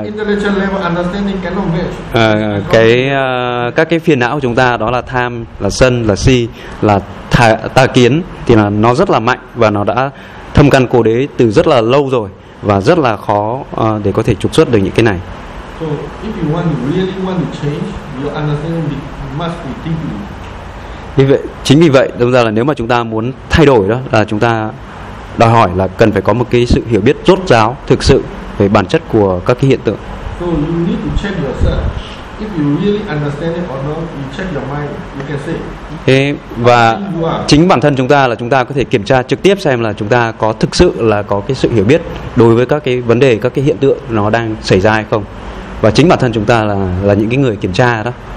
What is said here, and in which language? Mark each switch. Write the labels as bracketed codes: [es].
[en] intellectual level understanding cannot match. [vi] Các cái phiền não của chúng ta đó là tham, là sân, là si, là tà kiến, thì là nó rất là mạnh và nó đã thâm căn cố đế từ rất là lâu rồi, và rất là khó để có thể trục xuất được những cái này. [en] So, if you want to really want to change, your understanding must be deeply. [vi] Vì vậy, chính vì vậy, đúng ra là nếu mà chúng ta muốn thay đổi đó, là chúng ta đòi hỏi là cần phải có một cái sự hiểu biết rốt ráo thực sự về bản chất của các cái hiện tượng. [en] So, you need to check yourself. If you really understand it or not, you check your mind, you can see. [vi] Thế, và chính bản thân chúng ta là chúng ta có thể kiểm tra trực tiếp xem là chúng ta có thực sự là có cái sự hiểu biết đối với các cái vấn đề, các cái hiện tượng nó đang xảy ra hay không, và chính bản thân chúng ta là những cái người kiểm tra đó.